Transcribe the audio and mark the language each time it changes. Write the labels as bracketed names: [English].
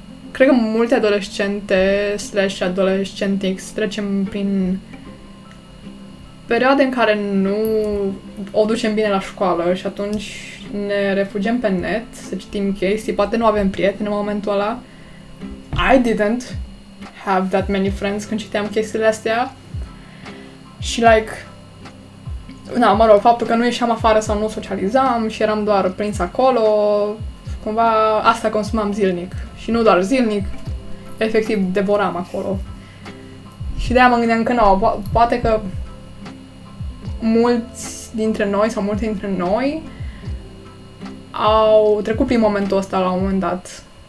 [Romanian] cred că multe adolescente / adolescentix trecem prin perioade în care nu o ducem bine la școală și atunci ne refugiem pe net să citim chestii. Poate nu avem prieteni în momentul ăla. [English] I didn't have that many friends [Romanian] când citeam chestiile astea. Și, like, na, mă rog, faptul că nu ieșeam afară sau nu socializam și eram doar prins acolo, cumva asta consumam zilnic. Și nu doar zilnic, efectiv devoram acolo. Și de-aia mă gândeam că, nu, poate că mulți dintre noi sau multe dintre noi au trecut prin momentul ăsta la un moment dat.